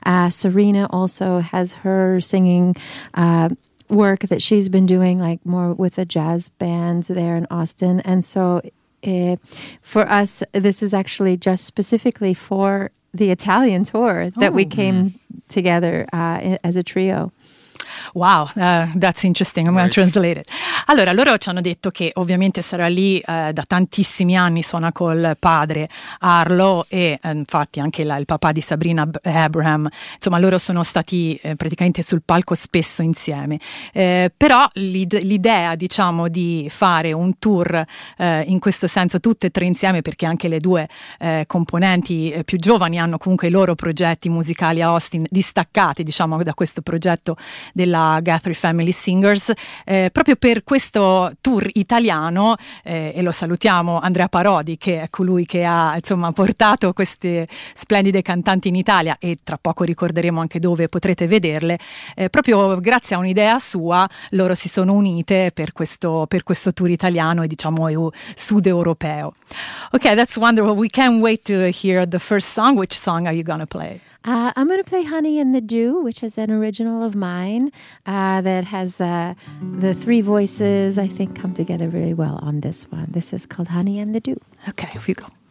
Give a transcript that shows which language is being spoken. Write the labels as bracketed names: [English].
[English] Serena also has her singing work that she's been doing, like more with a jazz band there in Austin. And so for us, this is actually just specifically for the Italian tour that we came together as a trio. Wow, that's interesting. I'm gonna translate it. [Italian] Allora, loro ci hanno detto che ovviamente sarà lì da tantissimi anni, suona col padre Arlo e infatti anche il papà di Sabrina Abraham. Insomma, loro sono stati praticamente sul palco spesso insieme. Però l'idea, diciamo, di fare un tour in questo senso tutte e tre insieme, perché anche le due componenti più giovani hanno comunque i loro progetti musicali a Austin, distaccati, diciamo, da questo progetto della Guthrie Family Singers, proprio per questo tour italiano, e lo salutiamo Andrea Parodi, che è colui che ha, insomma, portato queste splendide cantanti in Italia, e tra poco ricorderemo anche dove potrete vederle, proprio grazie a un'idea sua loro si sono unite per questo tour italiano e, diciamo, sud europeo. [English] Ok, that's wonderful. We can't wait to hear the first song. Which song are you gonna play? I'm going to play Honey in the Dew, which is an original of mine that has the three voices, I think, come together really well on this one. This is called Honey in the Dew. Okay, here we go.